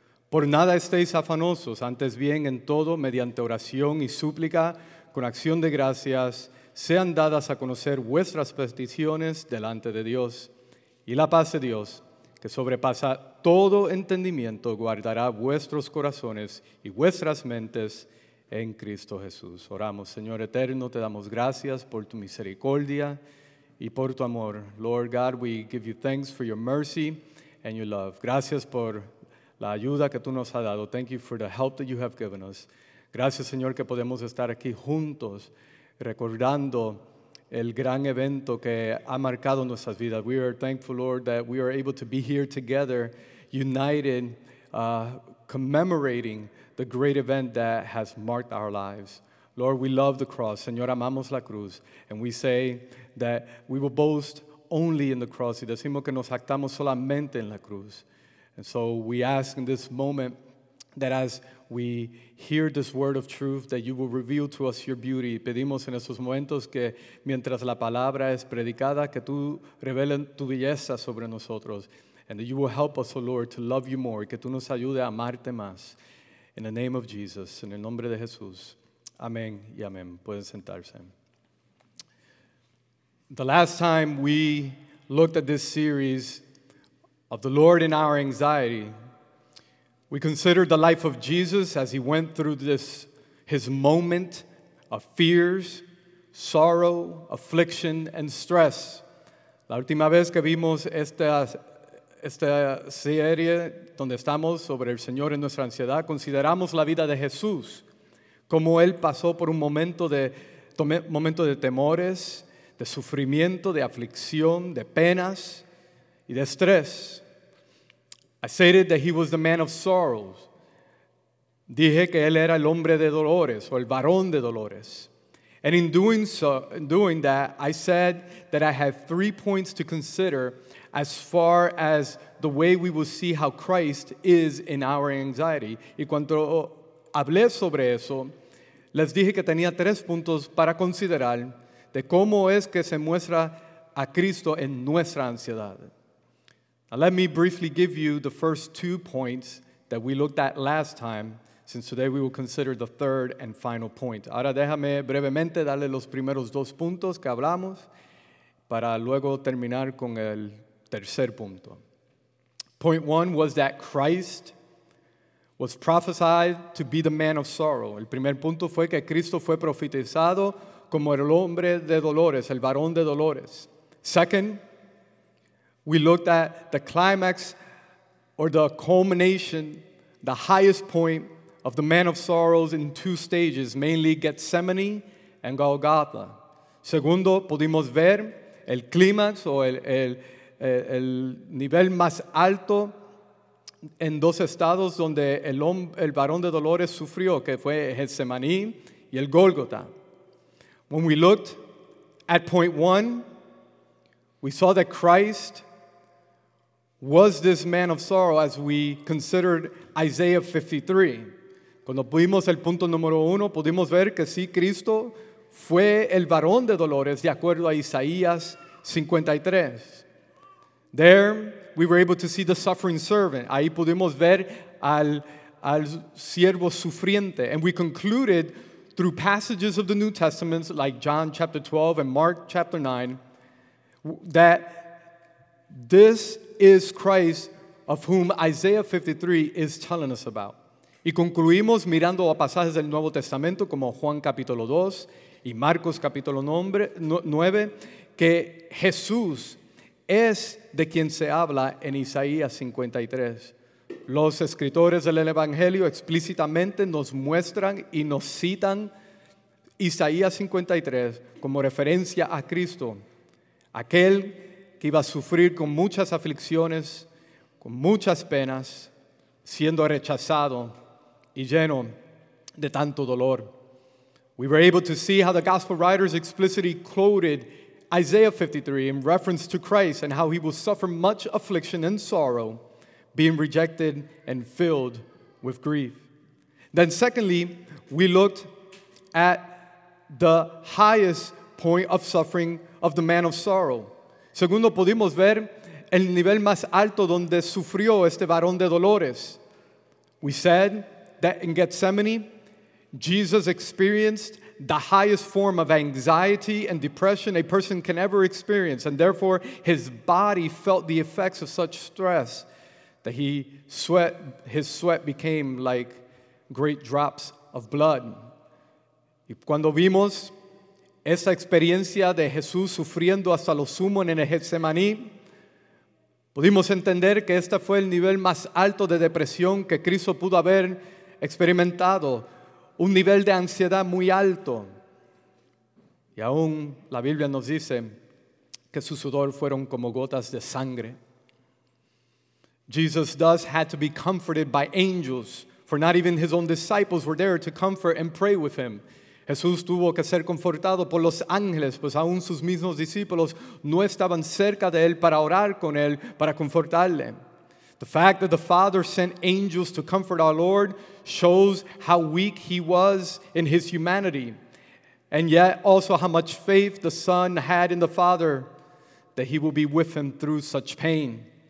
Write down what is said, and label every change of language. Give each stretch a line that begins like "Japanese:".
Spanish: Por nada estéis afanosos, antes bien en todo, mediante oración y súplica, con acción de gracias, sean dadas a conocer vuestras peticiones delante de Dios. Y la paz de Dios, que sobrepasa todo entendimiento, guardará vuestros corazones y vuestras mentes en Cristo Jesús. Oramos, Señor eterno, te damos gracias por tu misericordia y por tu amor.
English: Lord God, we give you thanks for your mercy and your love.
Spanish: Gracias por la ayuda que tú nos has dado.
English: Thank you for the help that you have given us.
Spanish: Gracias, Señor, que podemos estar aquí juntos recordando el gran evento que ha marcado nuestras vidas.
English: We are thankful, Lord, that we are able to be here together, united, commemorating the great event that has marked our lives. Lord, we love the cross.
Spanish: Señor, amamos la cruz.
English: And we say that we will boast only in the cross.
Spanish: Y decimos que nos jactamos solamente en la cruz.
English: And so we ask in this moment that as we hear this word of truth, that you will reveal to us your beauty.
Spanish: Pedimos en estos momentos que mientras la palabra es predicada, que tú reveles tu belleza sobre nosotros.
English: And that you will help us, O Lord, to love you more.
Spanish: Que tú nos ayude a amarte más.
English: In the name of Jesus,
Spanish: en el nombre de Jesús, amén y amén. Pueden sentarse.
English: The last time we looked at this series of the Lord in our anxiety, we considered the life of Jesus as he went through this, his moment of fears, sorrow, affliction, and stress.
Spanish: La última vez que vimos esta serie donde estamos sobre el Señor en nuestra ansiedad, consideramos la vida de Jesús, como Él pasó por un momento de temores, de sufrimiento, de aflicción, de penas y de estrés.
English: I stated that He was the man of sorrows.
Spanish: Dije que Él era el hombre de dolores o el varón de dolores.
English: And in doing that, I said that I had three points to consider as far as the way we will see how Christ is in our anxiety.
Spanish: Y cuando hablé sobre eso, les dije que tenía tres puntos para considerar de cómo es que se muestra a Cristo en nuestra ansiedad.
English: Now let me briefly give you the first two points that we looked at last time, since today we will consider the third and final point.
Spanish: Ahora déjame brevemente darle los primeros dos puntos que hablamos para luego terminar con el tercer punto.
English: Point one was that Christ was prophesied to be the man of sorrow.
Spanish: El primer punto fue que Cristo fue profetizado como el hombre de dolores, el varón de dolores.
English: Second, we looked at the climax or the culmination, the highest point of the man of sorrows in two stages, mainly Gethsemane and Golgotha.
Spanish: Segundo, pudimos ver el clímax o el nivel más alto en dos estados donde el varón de dolores sufrió, que fue Getsemaní y el Gólgota.
English: When we looked at point one, we saw that Christ was this man of sorrow as we considered Isaiah 53.
Spanish: Cuando vimos el punto número uno, pudimos ver que sí, Cristo fue el varón de dolores de acuerdo a Isaías 53.
English: There, we were able to see the suffering servant.
Spanish: Ahí pudimos ver al siervo sufriente.
English: And we concluded through passages of the New Testament, like John chapter 12 and Mark chapter 9, that this is Christ of whom Isaiah 53 is telling us about.
Spanish: Y concluimos mirando a pasajes del Nuevo Testamento como Juan capítulo 2 y Marcos capítulo 9, que Jesús es de quien se habla en Isaías 53. Los escritores del Evangelio explícitamente nos muestran y nos citan Isaías 53 como referencia a Cristo, aquel que iba a sufrir con muchas aflicciones, con muchas penas, siendo rechazado y lleno de tanto dolor.
English: We were able to see how the gospel writers explicitly quoted Isaiah 53 in reference to Christ and how he will suffer much affliction and sorrow, being rejected and filled with grief. Then secondly, we looked at the highest point of suffering of the man of sorrow.
Spanish: Segundo, pudimos ver el nivel más alto donde sufrió este varón de dolores.
English: We said that in Gethsemane, Jesus experienced the highest form of anxiety and depression a person can ever experience, and therefore his body felt the effects of such stress that his sweat became like great drops of blood.
Spanish: Y cuando vimos esa experiencia de Jesús sufriendo hasta lo sumo en el Getsemaní, pudimos entender que este fue el nivel más alto de depresión que Cristo pudo haber experimentado, un nivel de ansiedad muy alto. Y aún la Biblia nos dice que su sudor fueron como gotas de sangre.
English: Jesus thus had to be comforted by angels, for not even his own disciples were there to comfort and pray with him.
Spanish: Jesús tuvo que ser confortado por los ángeles, pues aún sus mismos discípulos no estaban cerca de él para orar con él, para confortarle.
English: The fact that the Father sent angels to comfort our Lord shows how weak he was in his humanity, and yet also how much faith the Son had in the Father that he will be with him through such pain.